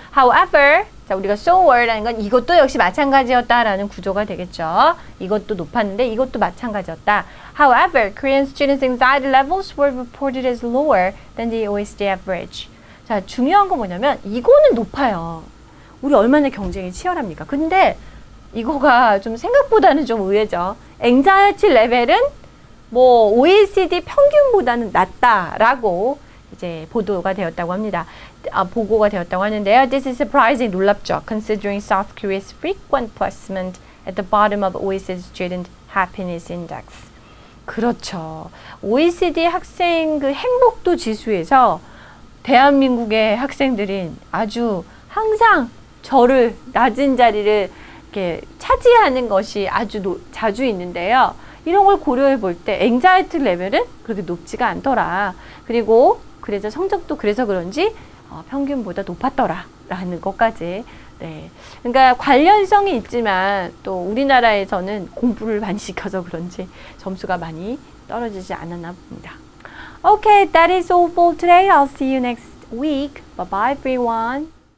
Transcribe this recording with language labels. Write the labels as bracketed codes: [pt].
[ko] However, 자, 우리가 so were라는 건 이것도 역시 마찬가지였다라는 구조가 되겠죠. 이것도 높았는데 이것도 마찬가지였다. [en] However, Korean students' anxiety levels were reported as lower than the OECD average. [ko] 자, 중요한 건 뭐냐면 이거는 높아요. 우리 얼마나 경쟁이 치열합니까? 근데 이거가 좀 생각보다는 좀 의외죠. Anxiety 레벨은 뭐 OECD 평균보다는 낮다라고 이제 보도가 되었다고 합니다. 보고가 되었다고 하는데요. [en] This is surprising, [ko] 놀랍죠. [en] Considering South Korea's frequent placement at the bottom of OECD student happiness index. [ko] 그렇죠. OECD 학생 그 행복도 지수에서 대한민국의 학생들은 아주 항상 저를 낮은 자리를 이렇게 차지하는 것이 아주 자주 있는데요. 이런 걸 고려해 볼 때 앵자이트 레벨은 그렇게 높지가 않더라. 그리고 그래서 성적도 그래서 그런지 평균보다 높았더라라는 것까지. 네. 그러니까 관련성이 있지만 또 우리나라에서는 공부를 많이 시켜서 그런지 점수가 많이 떨어지지 않았나 봅니다. [en] Okay, that is all for today. I'll see you next week. Bye-bye, everyone.